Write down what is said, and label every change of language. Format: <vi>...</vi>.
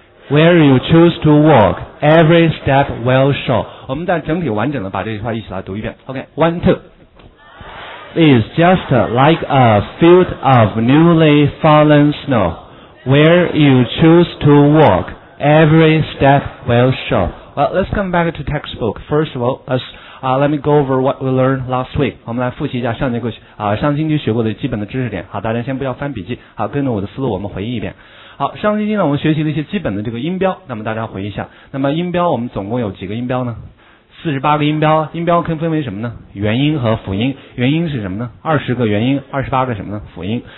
<en>Where you choose to walk, every step will show.</en> <zh>我们再整体完整的把这句话一起来读一遍。</zh> <en>OK, one, two. Is just like a field of newly fallen snow. Where you choose to walk, every step will show. Well, let's come back to textbook. First of all, let me go over what we learned last week.</en> <zh>我们来复习一下上节课上星期学过的基本的知识点。好，大家先不要翻笔记。好，跟着我的思路我们回忆一遍。好，上星期呢我们学习了一些基本的这个音标，那么大家回忆一下，那么音标我们总共有几个音标呢？ 48个音标，音标可以分为什么呢？元音和辅音。元音是什么呢？20个元音，28个什么呢？辅音。</zh>